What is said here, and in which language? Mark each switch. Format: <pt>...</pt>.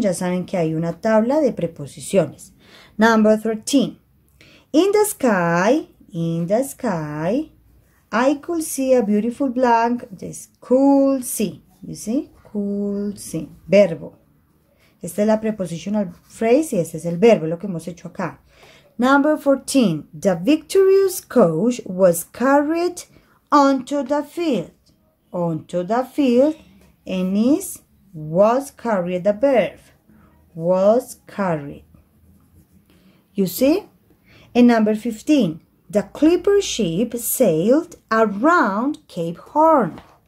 <es>Ya saben que hay una tabla de preposiciones.</es> <en>Number 13. In the sky, I could see a beautiful blank. Entonces, could see. You see? Could see. Verbo.</en> <es>Esta es la prepositional phrase y este es el verbo, lo que hemos hecho acá.</es> <en>Number 14. The victorious coach was carried onto the field. Onto the field. And is was carried the verb. Was carried. You see? And number 15. The clipper ship sailed around Cape Horn.</en>